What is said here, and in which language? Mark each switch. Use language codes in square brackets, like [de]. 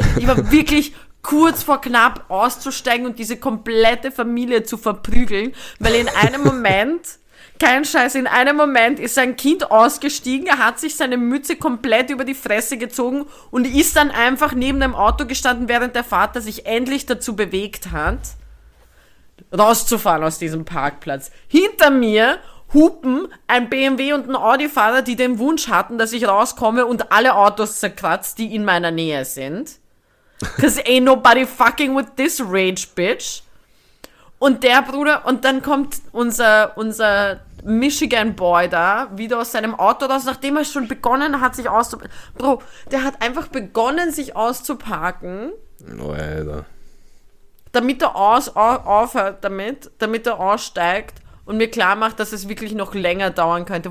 [de] Ich war wirklich kurz vor knapp auszusteigen und diese komplette Familie zu verprügeln, weil in einem Moment, kein Scheiß, in einem Moment ist sein Kind ausgestiegen, er hat sich seine Mütze komplett über die Fresse gezogen und ist dann einfach neben dem Auto gestanden, während der Vater sich endlich dazu bewegt hat, rauszufahren aus diesem Parkplatz. Hinter mir hupen ein BMW und ein Audi-Fahrer, die den Wunsch hatten, dass ich rauskomme und alle Autos zerkratzt, die in meiner Nähe sind. [en] Cause ain't nobody fucking with this rage, bitch. [de] Und der Bruder, und dann kommt unser Michigan-Boy da wieder aus seinem Auto raus, nachdem er schon begonnen hat, sich auszuparken. Bro, der hat einfach begonnen, sich auszuparken, No, Alter. damit er aufhört damit, damit er aussteigt und mir klar macht, dass es wirklich noch länger dauern könnte.